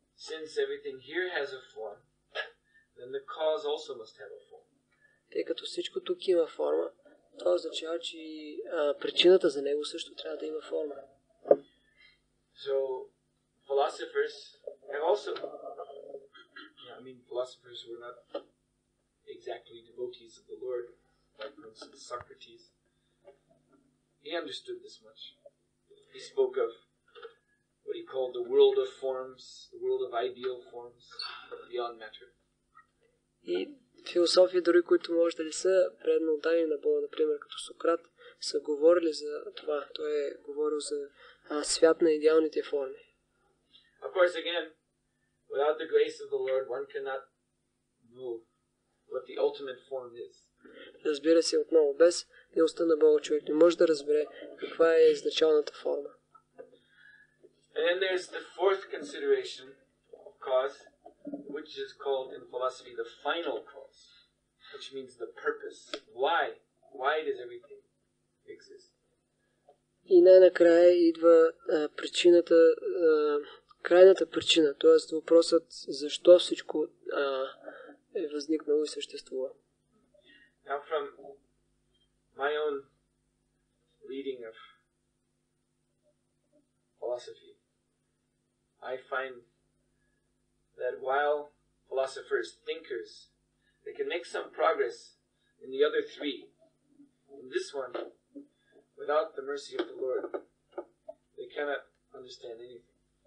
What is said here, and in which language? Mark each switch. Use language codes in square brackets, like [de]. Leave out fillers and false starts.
[en] Since everything here has a form, then the cause also must have a form. [bg] Тъй като всичко тук има форма, това означава, че и причината за него също трябва да има форма. [en] So, philosophers have also... philosophers were not exactly devotees of the Lord, like, for instance, Socrates. He understood this much. He spoke of what he called the world of forms, the world of ideal forms, beyond matter. [bg] И философии, дори които може да ли са предмолдани на Бога, например, като Сократ, са говорили за това. Той е говорил за свят на идеалните форми. [en] Of course, again, without the grace of the Lord, one cannot know what the ultimate form is. [bg] Разбира се, отново, без милостта на Бога, човек не може да разбере каква е изначалната форма. [en] And then there's the fourth consideration of cause, which is called in philosophy the final cause, which means the purpose. Why? Why does everything exist? [bg] И най-накрая идва причината, крайната причина, т.е. въпросът защо всичко е възникнало и съществува. [en] Now from my own reading of philosophy, I find that while philosophers, thinkers, they can make some progress in the other three, in this one, without the mercy of the Lord, they cannot understand anything.